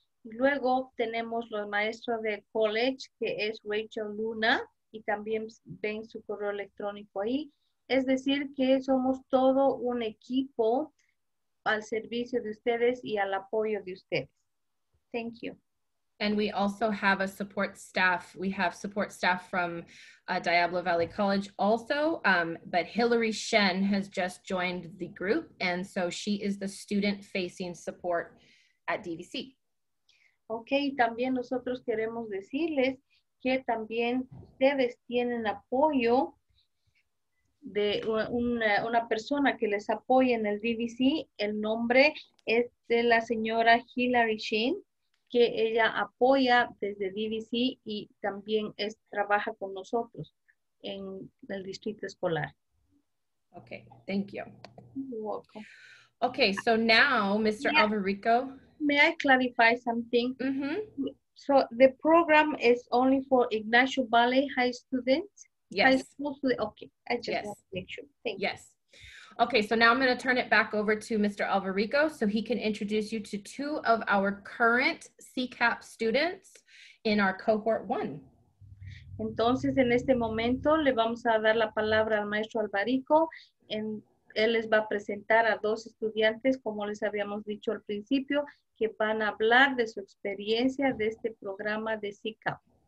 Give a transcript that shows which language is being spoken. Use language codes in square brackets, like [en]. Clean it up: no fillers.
[es] Luego tenemos los maestros del college que es Rachel Luna y también ven su correo electrónico ahí. Es decir que somos todo un equipo al servicio de ustedes y al apoyo de ustedes. [en] Thank you. And we also have a support staff. We have support staff from Diablo Valley College also, but Hillary Shen has just joined the group. And so she is the student facing support at DVC. [es] Okay, también nosotros queremos decirles que también ustedes tienen apoyo de una persona que les apoya en el DVC. El nombre es de la señora Hillary Shen, que ella apoya desde DVC y también es, trabaja con nosotros en el distrito escolar. [en] Okay, thank you. You're welcome. Okay, so now, Mr. Yeah. Alvarico. May I clarify something? Mm-hmm. So the program is only for Ignacio Valley High students? Yes. High school students. Okay, I just yes. want to make sure. Thank yes. you. Okay, so now I'm going to turn it back over to Mr. Alvarico so he can introduce you to two of our current CCAP students in our cohort one. [es] Entonces, en este momento, le vamos a dar la palabra al maestro Alvarico. Él les va a presentar a dos estudiantes, como les habíamos dicho al principio, que van a hablar de su experiencia de este programa de CCAP.